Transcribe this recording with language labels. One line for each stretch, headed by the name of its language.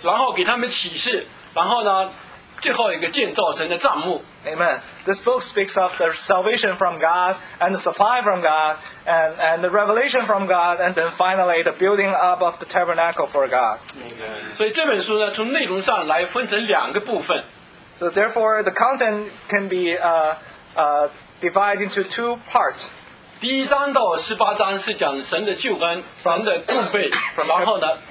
Chinese: 对啊，这本书里面说到神的救恩，从一开始呢，神就给以色列人救恩，给他们供备，然后给他们启示，然后呢。最后一个建造神的帐幕。
English: Amen. This book speaks of the salvation from God and the supply from God and the revelation from God and then finally the building up of the tabernacle for God. Amen.
Chinese: 所以这本书呢，从内容上来分成两个部分。
English: So therefore, the content can be divided into two parts.
Chinese: 第一章到18章是讲神的救恩，神的供备，然后呢。